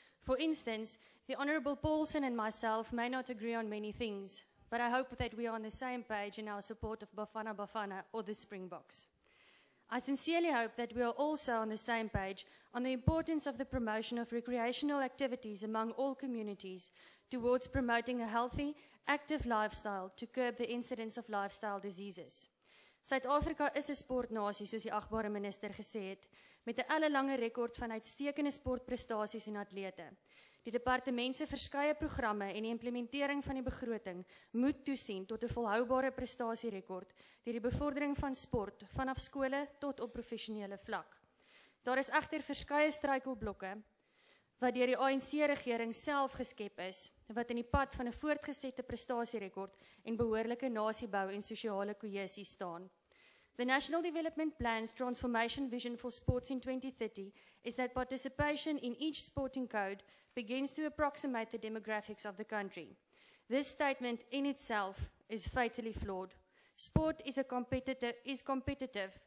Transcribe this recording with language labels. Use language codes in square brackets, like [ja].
[en] For instance, the Honourable Paulson and myself may not agree on many things, but I hope that we are on the same page in our support of Bafana Bafana or the Springboks. I sincerely hope that we are also on the same page on the importance of the promotion of recreational activities among all communities towards promoting a healthy, active lifestyle to curb the incidence of lifestyle diseases. [af] Suid-Afrika is 'n sportnasie, soos die agbare minister gesê het, met 'n ellelange rekord van uitstekende sportprestasies en atlete. Die departement se verskeie programme en die implementering van die begroting moet toesien tot 'n volhoubare prestasierekord deur die bevordering van sport vanaf skole tot op professionele vlak. Daar is egter verskeie struikelblokke wat deur die ANC-regering self geskep is, wat in die pad van 'n voortgesette prestasierekord en behoorlike nasiebou en sosiale kohesie staan. [en] The National Development Plan's Transformation Vision for Sports in 2030 is that participation in each sporting code begins to approximate the demographics of the country. This statement in itself is fatally flawed. Sport is competitive.